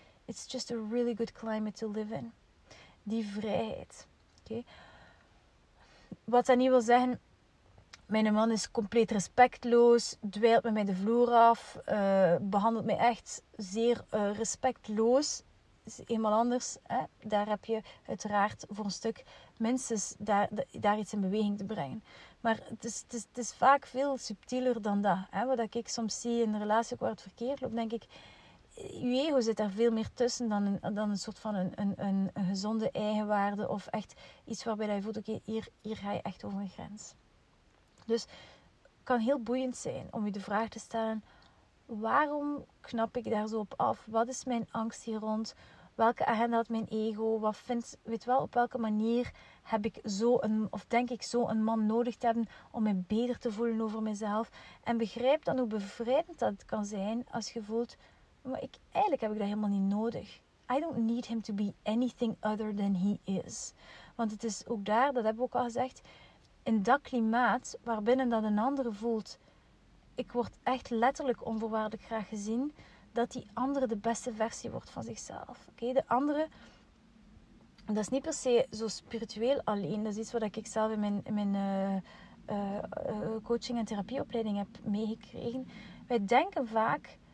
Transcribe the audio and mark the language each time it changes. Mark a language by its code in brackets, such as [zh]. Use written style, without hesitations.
[en] It's just a really good climate to live in. [nl] Die vrijheid. Oké? Okay? Wat dat niet wil zeggen, mijn man is compleet respectloos, dweilt met mij de vloer af, behandelt mij echt zeer respectloos. Dat is eenmaal anders. Hè? Daar heb je uiteraard voor een stuk minstens daar iets in beweging te brengen. Maar het is vaak veel subtieler dan dat. Hè? Wat ik soms zie in een relatie waar het verkeerd loopt, denk ik, je ego zit daar veel meer tussen dan een soort van een gezonde eigenwaarde of echt iets waarbij je voelt, oké, hier ga je echt over een grens. Dus het kan heel boeiend zijn om je de vraag te stellen, waarom knap ik daar zo op af? Wat is mijn angst hier rond? Welke agenda had mijn ego? Op welke manier heb ik denk ik zo een man nodig te hebben om mij beter te voelen over mezelf? En begrijp dan hoe bevrijdend dat kan zijn als je voelt, maar eigenlijk heb ik dat helemaal niet nodig. [en] I don't need him to be anything other than he is. [nl] Want het is ook daar, dat hebben we ook al gezegd, in dat klimaat waarbinnen dat een andere voelt, ik word echt letterlijk onvoorwaardelijk graag gezien, dat die andere de beste versie wordt van zichzelf. Okay? De andere, dat is niet per se zo spiritueel alleen, dat is iets wat ik zelf in mijn coaching- en therapieopleiding heb meegekregen. Wij denken vaak